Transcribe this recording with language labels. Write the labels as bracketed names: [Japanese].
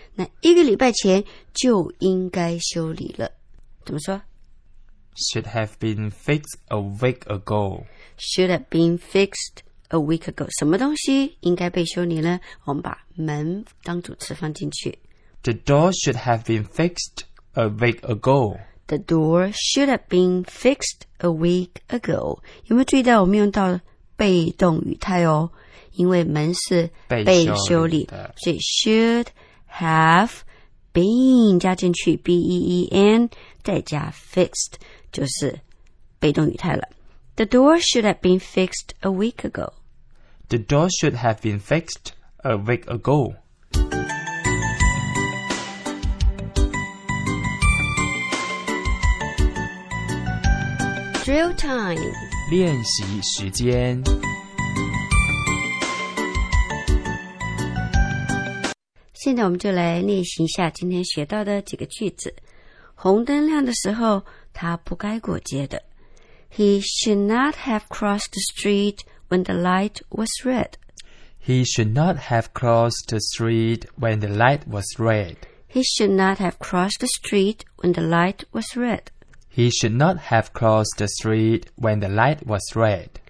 [Chinese] 那一个礼拜前就应该修理了。怎么说 [English] ?Should have been fixed a week ago. Should have been fixed a week ago. [Chinese] 什么东西应该被修理呢我们把门当主词放进去。 [English] The door should have been fixed a week ago. The door should have been fixed a week ago. [Chinese] 有没有注意到我们用到被动语态哦因为门是被修理 [English] 所以 should have been 加进去 B-E-E-N 再加 fixed [Chinese] 就是被动语态了 [English] The door should have been fixed a week ago The door should have been fixed a week ago Drill time [Chinese] 练习时间现在我们就来练习一下今天学到的几个句子。红灯亮的时候，他不该过街的。 [English] He should not have crossed the street when the light was red. He should not have crossed the street when the light was red. He should not have crossed the street when the light was red. He should not have crossed the street when the light was red.